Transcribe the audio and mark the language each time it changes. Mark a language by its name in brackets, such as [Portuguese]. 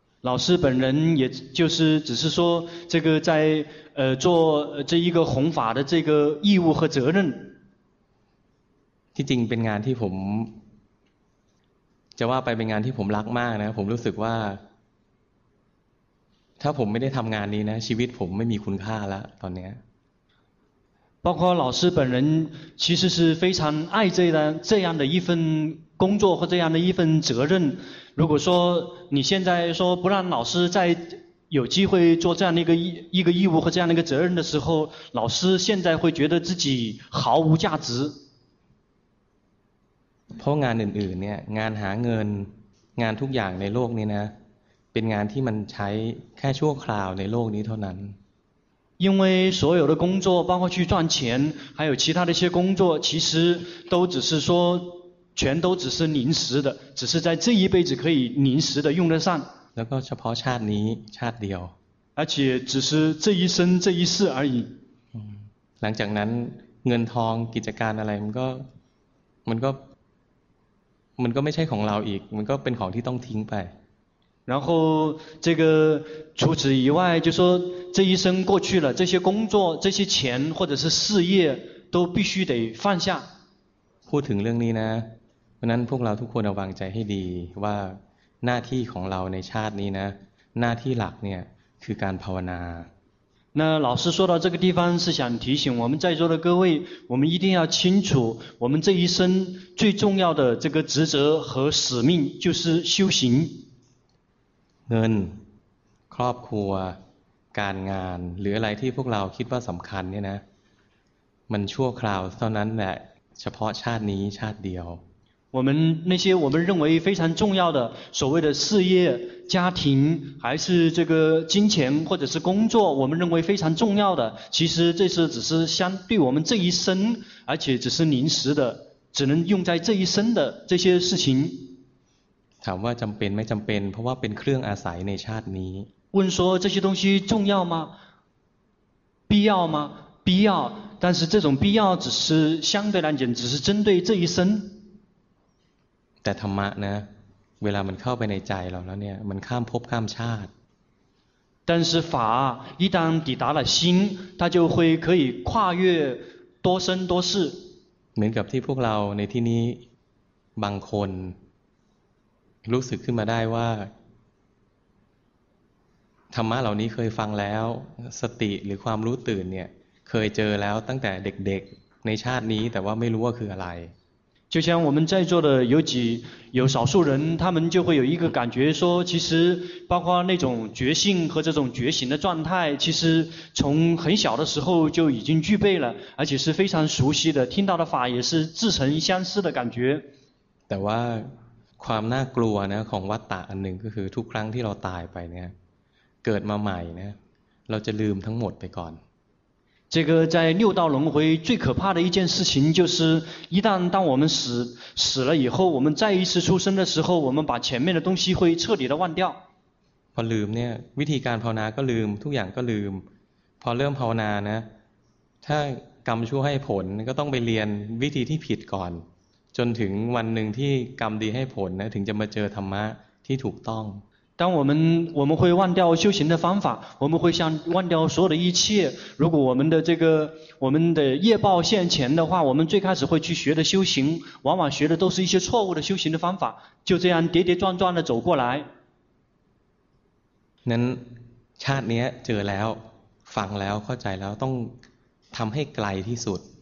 [Chinese] 老师本人也就是只是说这个在做这一个弘法的这个义务和责任 [Thai] ที่จริงเป็นงานที่ผมจะว่าไปเป็นงานที่ผมรักมากนะผมรู้สึกว่าถ้าผมไม่ได้ทำงานนี้นะชีวิตผมไม่มีคุณค่าแล้วตอนนี้ [Chinese] 包括老师本人其实是非常爱这样的一份工作和这样的一份责任。如果说你现在说不让老师再有机会做这样的一个义务和这样的一个责任的时候，老师现在会觉得自己毫无价值。 [Thai] เพราะงานอื่นๆเนี่ยงานหาเงินงานทุกอย่างในโลกนี้นะเป็นงานที่มันใช้แค่ชั่วคราวในโลกนี้เท่านั้น [Chinese] 因为所有的工作包括去赚钱还有其他的一些工作其实都只是说全都只是临时的只是在这一辈子可以临时的用得上 [Thai] แล้วก็เฉพาะชาตินี้ชาติเดียว [Chinese] 而且只是这一生这一世而已 [Thai] หลังจากนั้นเงินทองกิจการอะไรมันก็ไม่ใช่ของเราอีกมันก็เป็นของที่ต้องทิ้งไป [Chinese] 然后这个除此以外就说这一生过去了这些工作这些钱或者是事业都必须得放下 [Thai] พูดถึงเรื่องนี้นะวันนั้นพวกเราทุกคนวางใจให้ดีว่าหน้าที่ของเราในชาตินี้นะหน้าที่หลักเนี่ยคือการภาวนา [Chinese] 那老师说到这个地方是想提醒我们在座的各位我们一定要清楚我们这一生最重要的这个职责和使命就是修行 [Thai] เงินครอบครัวการงานหรืออะไรที่พวกเราคิดว่าสำคัญเนี่ยนะมันชั่วคราวเท่านั้นแหละเฉพาะชาตินี้ชาติเดียว [Chinese] 我们那些我们认为非常重要的所谓的事业家庭还是这个金钱或者是工作我们认为非常重要的其实这是只是相对我们这一生而且只是临时的只能用在这一生的这些事情 [Thai] ถามว่าจำเป็นไม่จำเป็นเพราะว่าเป็นเครื่องอาศัยในชาตินี้ [Chinese] 问说这些东西重要吗必要吗必要但是这种必要只是相对来讲只是针对这一生 [Thai] แต่ธรรมะนะเวลามันเข้าไปในใจเราแล้วเนี่ยมันข้ามภพข้ามชาติ [Chinese] 但是法一旦抵达了心它就会可以跨越多生多世 [Thai] เหมือนกับที่พวกเราในที่นี้บางคนรู้สึกขึ้นมาได้ว่าธรรมะเหล่านี้เคยฟังแล้วสติหรือความรู้ตื่นเนี่ยเคยเจอแล้วตั้งแต่เด็กๆในชาตินี้แต่ว่าไม่รู้ว่าคืออะไร [Chinese] 就像我们在座的有少数人他们就会有一个感觉说其实包括那种觉性和这种觉醒的状态其实从很小的时候就已经具备了而且是非常熟悉的听到的法也是自成相似的感觉 [Thai] แต่ว่าความน่ากลัวนะของวัฏฏะอันหนึ่งก็คือทุกครั้งที่เราตายไปเนี่ยเกิดมาใหม่นะเราจะลืมทั้งหมดไปก่อน [Chinese] 这个在六道轮回最可怕的一件事情就是一旦当我们死了以后我们再一次出生的时候我们把前面的东西会彻底的忘掉 [Thai] พอลืมเนี่ยวิธีการภาวนาก็ลืมทุกอย่างก็ลืมพอเริ่มภาวนานะถ้ากรรมชั่วให้ผลก็ต้องไปเรียนวิธีที่ผิดก่อนจนถึงวันหนึ่งที่กรรมดีให้ผลนะถึงจะมาเจอธรรมะที่ถูกต้อง [Chinese] 当我们会忘掉修行的方法，我们会像忘掉所有的一切。如果我们的业报现前的话，我们最开始会去学的修行，往往学的都是一些错误的修行的方法，就这样跌跌撞撞的走过来。 [Thai] นั้นชาตินี้เจอแล้วฟังแล้วเข้าใจแล้วต้องทำให้ไกลที่สุด